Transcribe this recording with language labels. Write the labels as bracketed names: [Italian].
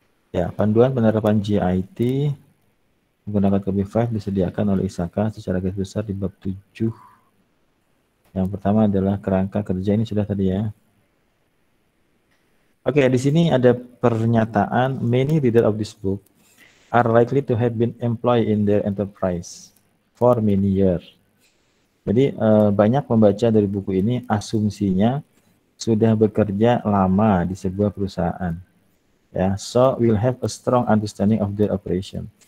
[Indonesian] Ya, panduan penerapan GIT menggunakan COVID-5 disediakan oleh Isaka secara garis besar di bab 7. Yang pertama adalah kerangka kerja, ini sudah tadi ya. Oke, di sini ada pernyataan, [English] many readers of this book are likely to have been employed in their enterprise for many years. [Indonesian] Jadi banyak pembaca dari buku ini asumsinya sudah bekerja lama di sebuah perusahaan. [English] Ya, so we'll have a strong understanding of their operation.